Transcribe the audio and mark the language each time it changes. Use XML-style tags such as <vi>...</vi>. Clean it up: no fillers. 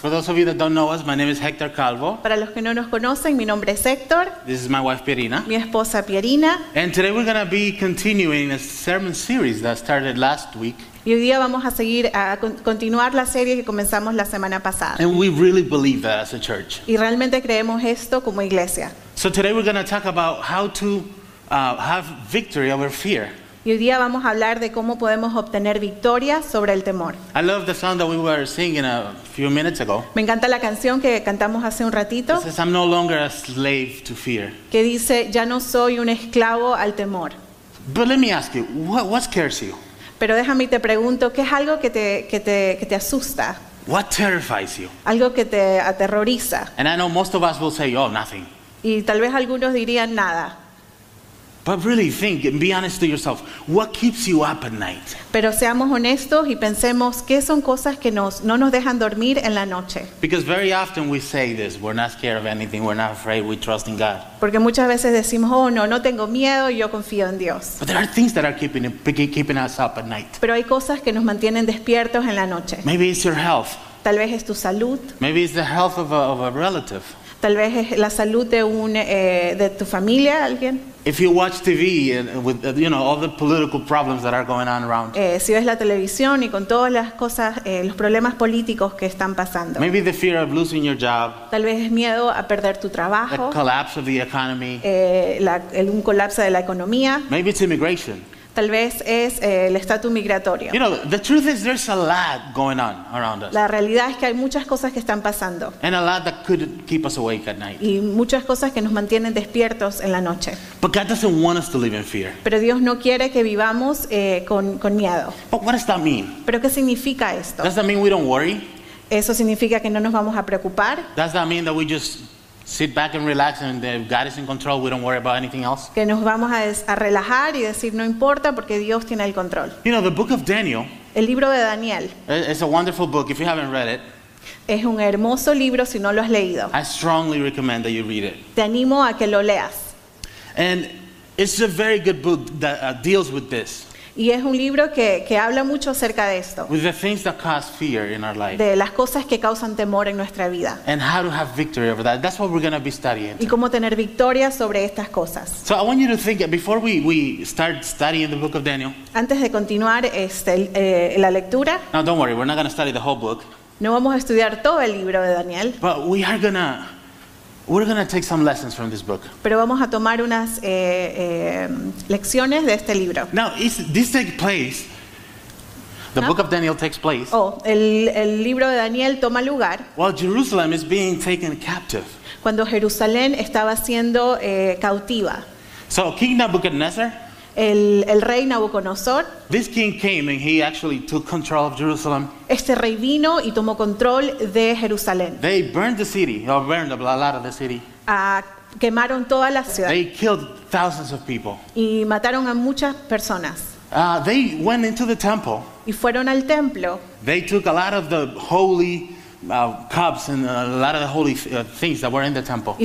<en>For those of you that don't know us, my name is Hector Calvo.</en> <es>Para los que no nos conocen, mi nombre es Héctor.</es> <en>This is my wife Pierina.</en> <es>Mi esposa Pierina.</es> <en>And today we're going to be continuing a sermon series that started last week.</en> <es>Y hoy día vamos a seguir a continuar la serie que comenzamos la semana pasada.</es> <en>And we really believe that as a church.</en> <es>Y realmente creemos esto como iglesia.</es> <en>So today we're going to talk about how to have victory over fear.</en> <es>Y hoy día vamos a hablar de cómo podemos obtener victoria sobre el temor.</es> <en>I love the song that we were singing a few minutes ago.</en> <es>Me encanta la canción que cantamos hace un ratito.</es> <en>It says, I'm no longer a slave to fear.</en> <es>Que dice, ya no soy un esclavo al temor.</es> <en>But let me ask you, what scares you?</en> <es>Pero déjame y te pregunto, ¿qué es algo que te asusta?</es> <en>What terrifies you?</en> <es>Algo que te aterroriza.</es> <en>And I know most of us will say, oh, nothing.</en> <es>Y tal vez algunos dirían nada.</es> <en>But really think and be honest to yourself. What keeps you up at night?</en> <es>Pero seamos honestos y pensemos qué son cosas que no nos dejan dormir en la noche.</es> <en>Because very often we say this, we're not scared of anything, we're not afraid, we trust in God.</en> <es>Porque muchas veces decimos, oh no tengo miedo, yo confío en Dios.</es> <en>But there are things that are keeping us up at night.</en> <es>Pero hay cosas que nos mantienen despiertos en la noche.</es> <en>Maybe it's your health.</en> <es>Tal vez es tu salud.</es> <en>Maybe it's the health of a relative.</en> <es>Tal vez es la salud de tu familia, alguien.</es> <en>If you watch TV and with you know all the political problems that are going on around.</en> <es>Si ves la televisión y con todas las cosas, los problemas políticos que están pasando.</es> <en>Maybe the fear of losing your job.</en> <es>Tal vez es miedo a perder tu trabajo.</es> <en>The collapse of the economy.</en> <es>Un colapso de la economía.</es> <en>Maybe it's immigration.</en> <es>Tal vez es el estatus migratorio.</es> <en>You know, the truth is there's a lot going on around us.</en> <es>La realidad es que hay muchas cosas que están pasando.</es> <en>And a lot that could keep us awake at night.</en> <es>Y muchas cosas que nos mantienen despiertos en la noche.</es> <en>But God doesn't want us to live in fear.</en> <es>Pero Dios no quiere que vivamos con miedo.</es> <en>But what does that mean?</en> <es>¿Pero qué significa esto?</es> <en>Does that mean we don't worry?</en> <es>¿Eso significa que no nos vamos a preocupar?</es> <en>Does that mean that we just sit back and relax and if God is in control we don't worry about anything else?</en> <es>Que nos vamos a relajar y decir no importa porque Dios tiene el control.</es> <en>You know, the book of Daniel.</en> <es>El libro de Daniel.</es> <en>It's a wonderful book if you haven't read it.</en> <es>Es un hermoso libro si no lo has leído.</es> <en>I strongly recommend that you read it.</en> <es>Te animo a que lo leas.</es> <en>And it's a very good book that deals with this.</en> <es>Y es un libro que habla mucho acerca de esto.</es> <en>With the things that cause fear in our life.</en> <es>De las cosas que causan temor en nuestra vida.</es> <en>And how to have victory over that. That's what we're going to be studying.</en> <es>Y cómo tener victoria sobre estas cosas.</es> <en>So I want you to think, before we start studying the book of Daniel.</en> <es>Antes de continuar la lectura.</es> <en>No, don't worry, we're not going to study the whole book.</en> <es>No vamos a estudiar todo el libro de Daniel.</es> <en>But we are going to... We're going to take some lessons from this book.</en> <es>Pero vamos a tomar unas lecciones de este libro.</es> <en>Now, this takes place. The book of Daniel takes place.</en> <es>Oh, el libro de Daniel toma lugar.</es> <en>While Jerusalem is being taken captive.</en> <es>Cuando Jerusalén estaba siendo cautiva.</es> <en>So, King Nebuchadnezzar.</en> <es>El rey Nabucodonosor.</es> <en>This king came and he actually took control of Jerusalem.</en> <es>Este rey vino y tomó control de Jerusalén.</es> <en>They burned the city, or burned a lot of the city.</en> <es>Quemaron toda la ciudad.</es> <en>They killed thousands of people.</en> <es>Y mataron a muchas personas.</es> <en>They went into the temple.</en> <es>Y fueron al templo.</es> <en>They took a lot of the holy cups and a lot of the holy things that were in the temple.</en>